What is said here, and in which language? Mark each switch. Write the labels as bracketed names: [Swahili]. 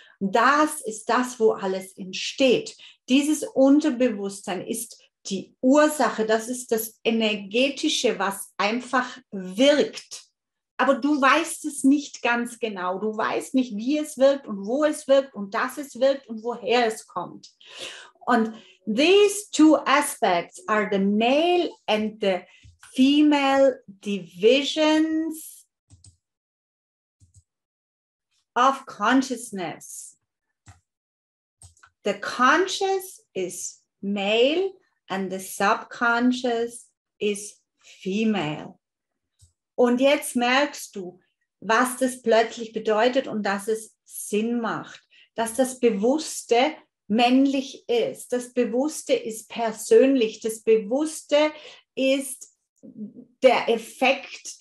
[German] Das ist das, wo alles entsteht. Dieses Unterbewusstsein ist die Ursache, das ist das Energetische, was einfach wirkt. Aber du weißt es nicht ganz genau. Du weißt nicht, wie es wirkt und wo es wirkt und dass es wirkt und woher es kommt. [English] Und these two aspects are the male and the female divisions of consciousness. The conscious is male. And the subconscious is female. [German] Und jetzt merkst du, was das plötzlich bedeutet und dass es Sinn macht, dass das Bewusste männlich ist. Das Bewusste ist persönlich. Das Bewusste ist der Effekt.